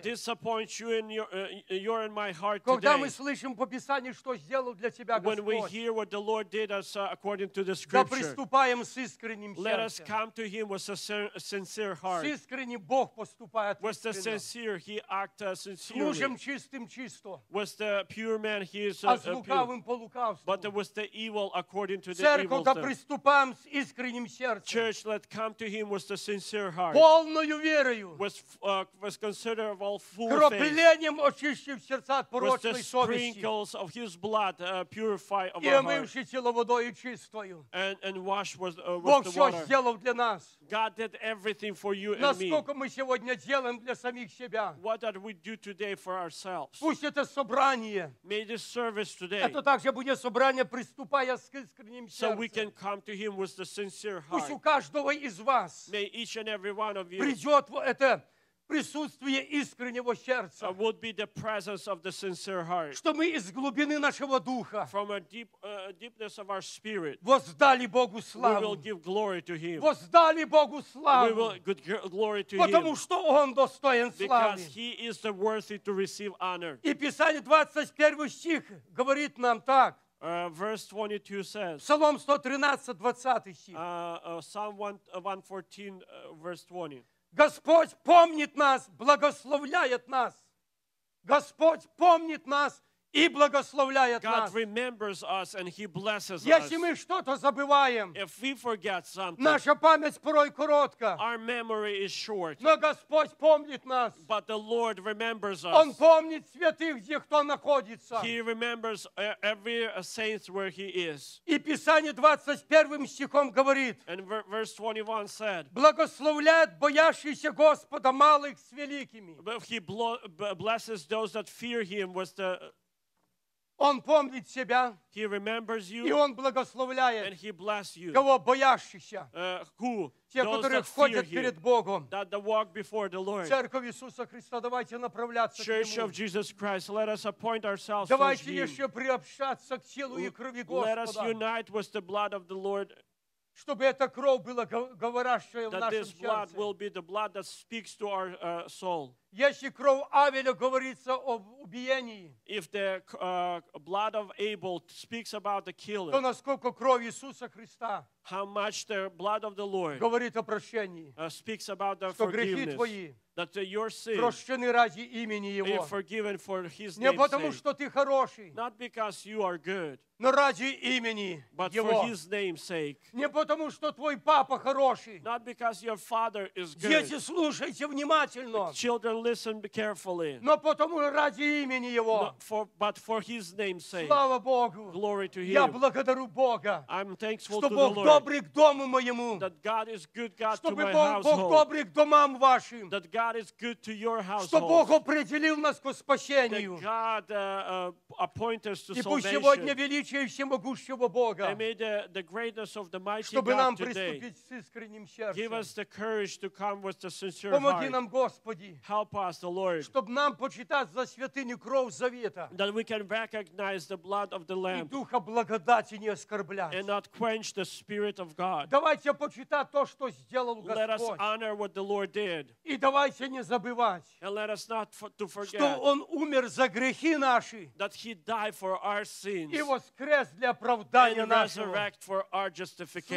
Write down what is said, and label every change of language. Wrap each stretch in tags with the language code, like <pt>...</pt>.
<en>This appoints you in your and my heart</en> <ru>Когда Когда мы слышим по Писанию, что сделал для тебя Господь.</ru> <en>When we hear what the Lord did us according to the Scripture.</en> <ru>Да приступаем с искренним сердцем.</ru> <en>Let us come to Him with a sincere heart.</en> <ru>С искренним Бог поступает.</ru> <en>With the sincere, He acts sincerely.</en> <ru>Служим чистым чисто.</ru> <en>With the pure man, He is pure.</en> <ru>А с лукавым по лукавству.</ru> <en>But with the evil according to</en> <ru>Церковь,</ru> <en>the evil.</en> <ru>Церковь, да приступаем с искренним сердцем.</ru> <en>Church, let come to him with a sincere heart.</en> <ru>Полною верою.</ru> <en>Was considered of all full faith.</en> <ru>Кроплением очистив сердца от порочной совести.</ru> <en>With the sprinkles of his blood purify of our heart.</en> <ru>И омывши тело водою чистою.</ru> <en>And wash with the water.</en> <ru>Бог все сделал для нас.</ru> <en>God did everything for you and</en> <ru>Насколько</ru> <en>me.</en> <ru>Насколько мы сегодня делаем для самих себя.</ru> <en>What did we do today for ourselves?</en> <ru>Пусть это собрание.</ru> <en>May this service today.</en> <ru>Это также будет собрание, приступая с искренним сердцем.</ru> <en>So we can come to him with the sincere heart.</en> <ru>Пусть у каждого из вас</ru> <en>May each and every one of you</en> <ru>придет это присутствие искреннего сердца.</ru> <en>Would be the presence of the sincere heart.</en> <ru>Что мы из глубины нашего духа</ru> <en>From a deepness of our spirit,</en> <ru>воздали Богу славу.</ru> <en>We will give glory to him.</en> <ru>Воздали Богу славу.</ru> <en>We will give glory to</en> <ru>Потому</ru> <en>him.</en> <ru>Что Он достоин славы.</ru> <en>Because he is the worthy to receive honor.</en> <ru>И Писание 21 стих говорит нам так.</ru> <en>Verse 22 says.</en> <ru>Псалом 113, 20 стих.</ru> <en>Psalm 114, verse 20.</en> <ru>Господь помнит нас, благословляет нас. Господь помнит нас и благословляет</ru> <en>God</en> <ru>нас.</ru> <en>God remembers us and He blesses</en> <ru>Если</ru> <en>us.</en> <ru>Если мы что-то забываем,</ru> <en>If we forget something,</en> <ru>наша память порой коротка.</ru> <en>Our memory is short.</en> <ru>Но Господь помнит нас.</ru> <en>But the Lord remembers us.</en> <ru>Он помнит святых, где кто находится.</ru> <en>He remembers every saint where he is.</en> <ru>И Писание 21 стихом говорит.</ru> <en>And verse 21 said.</en> <ru>Благословляет боящийся Господа малых с великими.</ru> <en>He blesses those that fear Him with the</en> <ru>Он помнит себя.</ru> <en>He remembers you.</en> <ru>И он благословляет.</ru> <en>And he bless you.</en> <ru>Кого боящихся.</ru> <en>Who?</en> <ru>Те, которые ходят перед Богом.</ru> <en>That the walk before the Lord.</en> <ru>Церковь Иисуса Христа, давайте направляться</ru> <en>Church</en> <ru>к Нему.</ru> <en>Church of Jesus Christ, let us appoint ourselves</en> <ru>Давайте</ru> <en>towards</en> <ru>еще</ru> <en>him.</en> <ru>Приобщаться к телу и крови Господа.</ru> <en>Let us unite with the blood of the Lord.</en> <ru>Чтобы эта кровь была говорящая в нашем сердце.</ru> <en>That this blood will be the blood that speaks to our soul.</en> <ru>Если кровь Авеля говорится об убиении,</ru> <en>if the blood of Abel speaks about the killing,</en> <ru>то насколько кровь Иисуса Христа,</ru> <en>how much the blood of the Lord</en> <ru>говорит о прощении,</ru> <en>speaks about the</en> <ru>что</ru> <en>forgiveness,</en> <ru>что грехи твои,</ru> <en>that your sins</en> <ru>прощены ради имени Его,</ru> <en>are forgiven for His name.</en> <ru>Не потому что ты хороший,</ru> <en>not because you are good,</en> <ru>но ради имени</ru> <en>but</en> <ru>Его,</ru> <en>for His name's sake.</en> <ru>Не потому что твой папа хороший,</ru> <en>not because your father is good.</en> <ru>Дети, слушайте внимательно.</ru> <en>And listen carefully.</en> <ru>Но потому ради имени Его.</ru> <en>But for His name's sake.</en> <ru>Слава Богу.</ru> <en>Glory to Him.</en> <ru>Я благодарю Бога.</ru> <en>I'm thankful</en> <ru>что</ru> <en>to</en> <ru>Бог</ru> <en>the Lord.</en> <ru>Добрый к дому моему.</ru> <en>That God is good God</en> <ru>Чтобы</ru> <en>to my</en> <ru>Бог</ru> <en>household.</en> <ru>Чтобы Бог добрый к домам вашим.</ru> <en>That God is good to your household.</en> <ru>Что Бог определил нас к спасению.</ru> <en>That God appointed us to</en> <ru>и И пусть сегодня величие всемогущего Бога.</ru> <en>And may the greatness of the mighty</en> <ru>Чтобы</ru> <en>God</en> <ru>нам</ru> <en>today.</en> <ru>Приступить с искренним сердцем.</ru> <en>Give us the courage to come with a sincere heart.</en> <ru>Помоги нам, Господи.</ru> <en>Help us, the Lord.</en> <ru>Чтобы нам почитать за святыню кровь завета.</ru> <en>That we can recognize the blood of the Lamb.</en> <ru>И духа благодати не оскорблять.</ru> <en>And not quench the Spirit of God.</en> <ru>Давайте почитать то, что сделал Господь.</ru> <en>Let us honor what the Lord did.</en> <ru>И давайте не забывать.</ru> <en>And let us not to forget.</en> <ru>Что Он умер за грехи наши.</ru> <en>That He died for our sins.</en> <ru>И воскрес для оправдания</ru> <en>and</en> <ru>нашего.</ru> <en>And resurrect for our justification.</en>